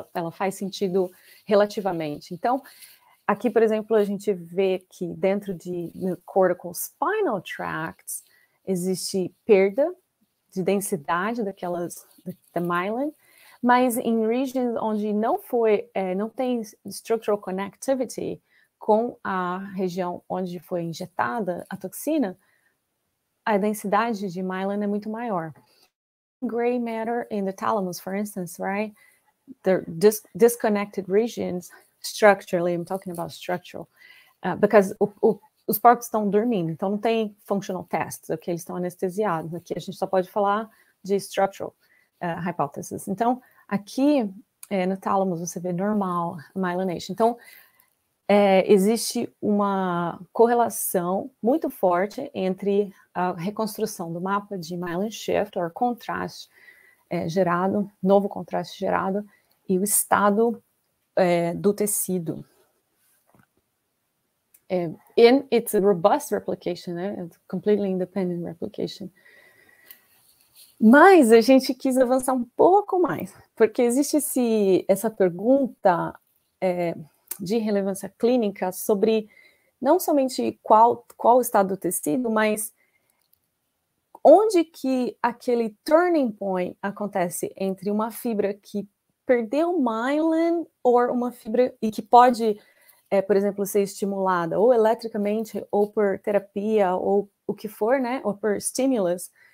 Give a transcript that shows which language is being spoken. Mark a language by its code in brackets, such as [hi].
[pt] Ela faz sentido relativamente. Então, aqui, por exemplo, a gente vê que dentro de cortical spinal tracts existe perda de densidade daquelas, da myelin, mas em regions onde não tem structural connectivity com a região onde foi injetada a toxina, a densidade de myelin é muito maior. [en] Gray matter in the thalamus, for instance, right? The disconnected regions structurally, I'm talking about structural, because [pt] os porcos estão dormindo, então não tem [en] functional tests, ok? [pt] Eles estão anestesiados, aqui a gente só pode falar de structural hypothesis. Então, aqui no thalamus você vê normal myelination. Então, existe uma correlação muito forte entre a reconstrução do mapa de myelin shift, ou contraste gerado, novo contraste gerado, e o estado do tecido. [en] And it's a robust replication, né? It's completely independent replication. [pt] Mas a gente quis avançar um pouco mais, porque existe essa pergunta de relevância clínica sobre não somente qual o estado do tecido, mas onde que aquele turning point acontece entre uma fibra que perdeu myelin ou uma fibra e que pode, por exemplo, ser estimulada ou eletricamente ou por terapia ou o que for, né, ou por stimulus